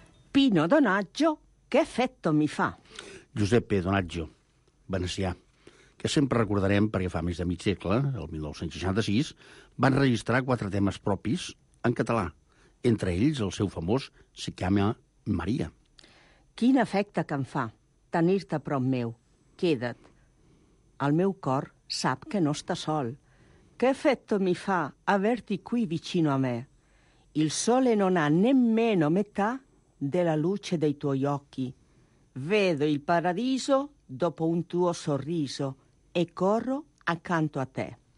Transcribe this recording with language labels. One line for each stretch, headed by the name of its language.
Italian: Pino Donaggio, che effetto mi fa?
Catalan: Giuseppe Donaggio, venecià, que sempre recordarem perquè fa més de mig segle, el 1966, va enregistrar quatre temes propis en català, entre ells el seu famós Si chiama Maria. Quin efecte que em fa tenir-te a prop meu. Queda't. El meu cor sap que no està sol.
Italian: Que efecte mi fa haver-t'hi qui vicino a me? Il sole non ha nemmeno metà della luce dei tuoi occhi. Vedo il paradiso dopo un tuo sorriso e corro accanto a te.